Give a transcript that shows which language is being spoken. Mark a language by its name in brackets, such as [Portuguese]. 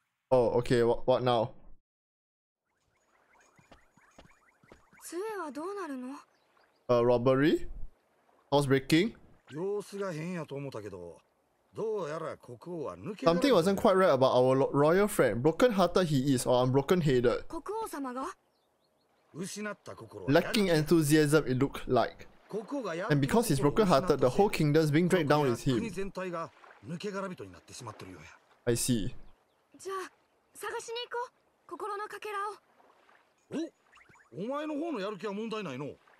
[English] Oh, okay. What now? [Japanese] 杖はどうなるの？ [English] Robbery? Housebreaking? [Japanese] 様子が変やと思ったけど、どうやら国王は抜け。 [English] Something wasn't quite right about our royal friend. Broken hearted he is, or I'm broken headed. [Japanese] 国王様が失った心は。 [English] Lacking enthusiasm, it looked like. [Japanese] 国王がや。 [English] And because he's broken hearted, the whole kingdom's being dragged down with him. [Japanese] 国全体が抜け殻人になってしまってるようや。 [English] I see. [Japanese] じゃあ、探しに行こう。心のかけらを。お、お前の方のやる気は問題ないの？